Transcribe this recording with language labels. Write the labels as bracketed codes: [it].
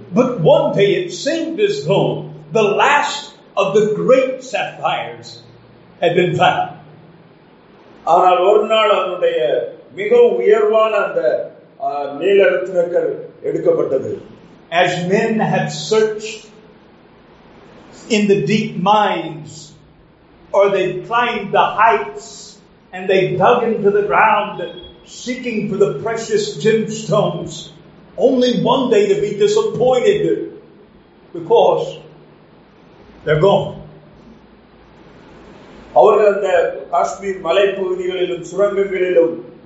[en] But one day it seemed as though the last of the great sapphires had been found. [ta] ஆனால் ஒரு நாள் அதனுடைய மிக உயர்வான அந்த நீல ரத்தினங்கள் எடுக்கப்பட்டது. [en] As men have searched in the deep mines or they climbed the heights and they dug into the ground seeking for the precious gemstones, only one day to be disappointed because they're gone. [ta] அவர்கள் அந்த காஷ்மீர் மலைப்பகுதிகளிலும் சுரங்கங்களிலும்